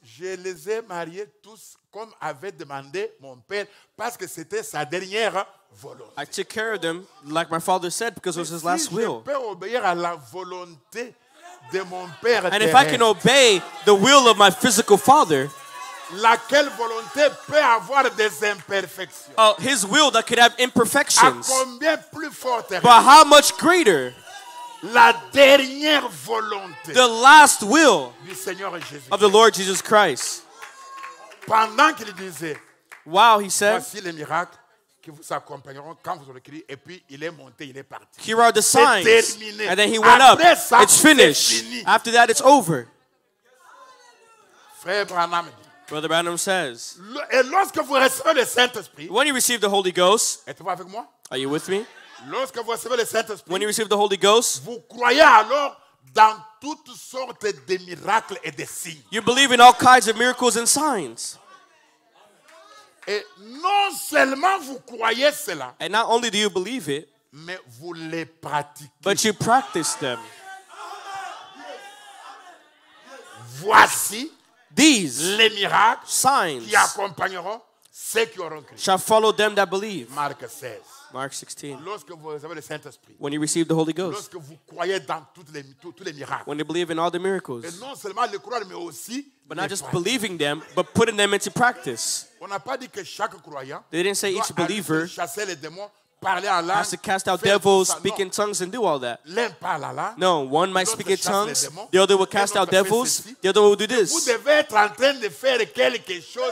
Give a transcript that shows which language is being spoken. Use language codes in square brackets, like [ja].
[fr] Je les ai mariés tous comme avait demandé mon père parce que c'était sa dernière volonté. [en] I took care of them like my father said because it was his last will. [fr] Je peux obéir à la volonté de mon père. [en] And if I can obey the will of my physical father, [fr] laquelle volonté peut avoir des imperfections? [en] Oh, his will that could have imperfections. [fr] À combien plus forte? [en] But how much greater? [fr] La dernière volonté. [en] The last will [fr] du Seigneur Jésus. [en] Of the Lord Jesus Christ. [fr] Pendant qu'il disait, [en] wow, he said, [fr] voici les miracles qui vous accompagneront quand vous aurez crié. Et puis il est monté, il est parti. [en] Here are the signs. [fr] C'est terminé. [en] And then he went [fr] après [en] up. [fr] Ça, [en] it's finished. [fr] Fini. [en] After that, it's over. [fr] Frère Branham. [en] Brother Branham says, [fr] et lorsque vous recevez le Saint-Esprit, [en] when you receive the Holy Ghost, [fr] êtes-vous avec moi? [en] Are you with me? [fr] Lorsque vous recevez le Saint-Esprit, [en] when you receive the Holy Ghost, [fr] vous croyez alors dans toutes sortes de miracles et de signes. [en] You believe in all kinds of miracles and signs. [fr] Et non seulement vous croyez cela, [en] and not only do you believe it, [fr] mais vous les pratiquez. [en] But you practice them. [fr] Voici [en] these [fr] les miracles, [en] signs [fr] qui accompagneront ceux qui auront cru. [en] Shall follow them that believe. Mark 16. Mark 16. [fr] Lorsque vous avez le Saint-Esprit, [en] when you receive the Holy Ghost. [fr] Lorsque vous croyez dans tous les miracles, [en] when you believe in all the miracles. [fr] Et non seulement les croire, mais aussi [en] but not just believing them, but putting them into practice. [fr] On n'a pas dit que chaque croyant, [en] they didn't say each believer [fr] chasser les démons, parler en langue, [en] has to cast out devils, speak in tongues, and do all that. [fr] L'un parle en langue, [en] no, one might speak in tongues, the other will cast out devils, [fr] ceci, [en] the other will do this. [fr] Vous devez être en train de faire quelque chose,